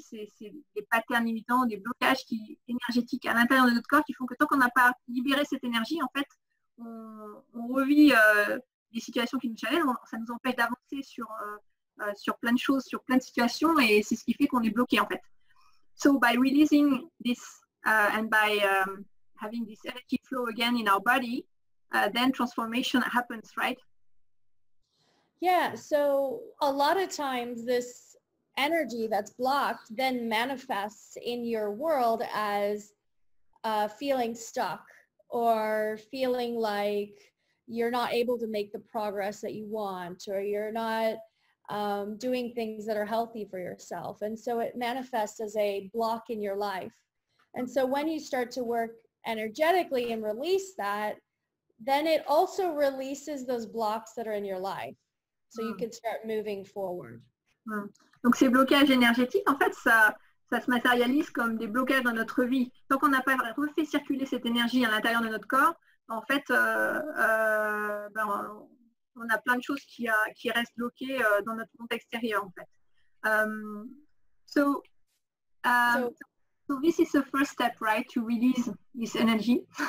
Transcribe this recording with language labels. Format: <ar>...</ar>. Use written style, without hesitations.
<fr>C'est des patterns limitants, des blocages énergétiques à l'intérieur de notre corps qui font que tant qu'on n'a pas libéré cette énergie, en fait, on revit des situations qui nous challengent, ça nous empêche d'avancer sur plein de choses, sur plein de situations, et c'est ce qui fait qu'on est bloqué en fait.</fr> <en>So by releasing this and by having this energy flow again in our body, then transformation happens, right? Yeah, so a lot of times this energy that's blocked then manifests in your world as feeling stuck or feeling like you're not able to make the progress that you want, or you're not doing things that are healthy for yourself. And so it manifests as a block in your life. And so when you start to work energetically and release that, then it also releases those blocks that are in your life. So you can start moving forward. Mm.</en> <fr>Donc ces blocages énergétiques, en fait, ça se matérialise comme des blocages dans notre vie. Tant qu'on n'a pas refait circuler cette énergie à l'intérieur de notre corps, en fait, on a plein de choses qui restent bloquées dans notre monde extérieur, en fait.</fr> <en>So this is the first step, right, to release this energy.</en>